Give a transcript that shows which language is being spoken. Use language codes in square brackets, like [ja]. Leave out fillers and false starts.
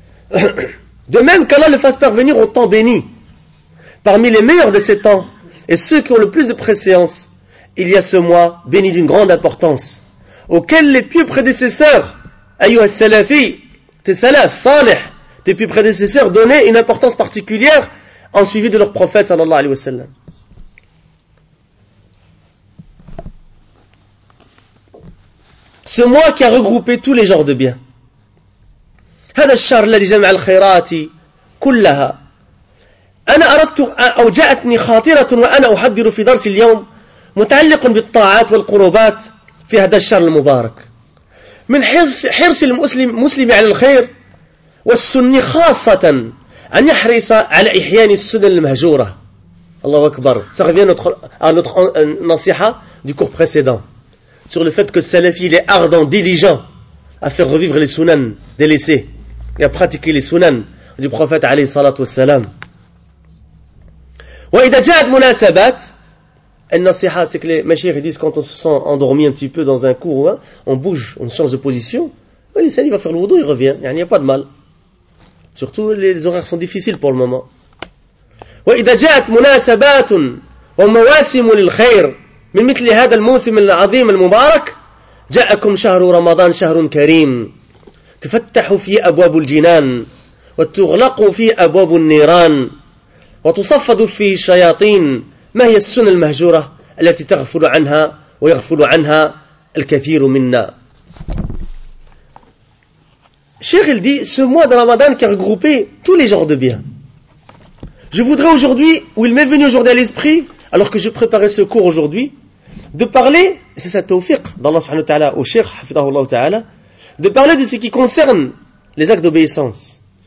[fr] De même, qu'Allah le fasse parvenir au temps béni, parmi les meilleurs de ces temps, et ceux qui ont le plus de préséance, il y a ce mois béni d'une grande importance, auquel les pieux prédécesseurs, ayyuha salafi, tes salafs, salih, tes pieux prédécesseurs donnaient une importance particulière en suivi de leur prophète, sallallahu alayhi wa sallam. Ce mois qui a regroupé tous les genres de biens. [ar] هذا الشهر الذي جمع الخيرات كلها. أنا أردت أو جاءتني خاطرة وأنا أحضر في درس اليوم متعلق بالطاعات والقربات في هذا الشهر المبارك. من حرص المسلم على الخير والسني خاصة أن يحرص على إحياء السنن المهجورة. الله أكبر. [fr] Ça revient à notre nasiha du cours précédent sur le fait que le salafi est ardent, diligent à faire revivre les sunan délaissés et à pratiquer les sunan du prophète [ar] عليه الصلاة والسلام. وإذا جاءت مناسبات النصيحة [fr] c'est que les mashayikh disent quand on se sent endormi un petit peu dans un cours hein, on bouge, on change de position, le salafi va faire le wudu, il revient, il n'y a pas de mal. Surtout les horaires sont difficiles pour le moment. [ar] وإذا جاءت مناسبات ومواسم للخير من مثل هذا الموسم العظيم المبارك جاءكم شهر رمضان شهر كريم تفتح فيه أبواب الجنان وتغلق فيه أبواب النيران وتصفد فيه الشياطين ما هي السنة المهجورة التي تغفل عنها ويغفل عنها الكثير منا. [fr] Cheikh il dit, ce mois de Ramadan qui a regroupé tous les genres de bien. Je voudrais aujourd'hui, ou il m'est venu aujourd'hui à l'esprit, alors que je préparais ce cours aujourd'hui, de parler, c'est sa tawfiq d'Allah subhanahu wa ta'ala au Cheikh, hafidhahullah ta'ala, de parler de ce qui concerne les actes d'obéissance.